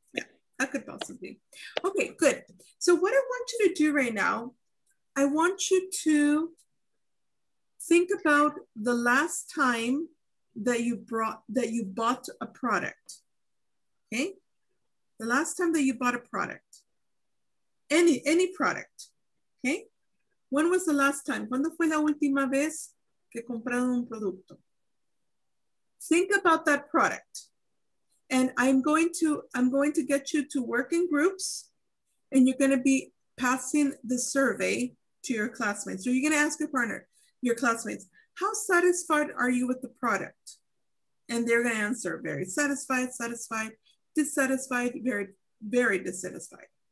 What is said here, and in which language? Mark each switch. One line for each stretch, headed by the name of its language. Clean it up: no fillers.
English: Yeah, that could possibly. Okay, good. So what I want you to do right now, I want you to think about the last time that you bought a product, okay? The last time that you bought a product, any product, okay? When was the last time?
Spanish: ¿Cuándo fue la última vez que compraron un producto?
English: Think about that product. And I'm going to get you to work in groups and you're gonna be passing the survey to your classmates. So you're gonna ask your partner, your classmates, how satisfied are you with the product? And they're gonna answer very satisfied, satisfied, dissatisfied, very, very dissatisfied.